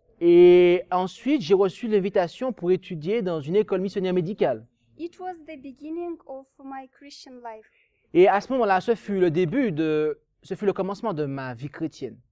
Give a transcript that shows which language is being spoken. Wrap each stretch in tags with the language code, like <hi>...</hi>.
<fr>Et ensuite, j'ai reçu l'invitation pour étudier dans une école missionnaire médicale.</fr> <en>It was the beginning of my Christian life.</en> <fr>Et à ce moment-là, ce fut le commencement de ma vie chrétienne.</fr>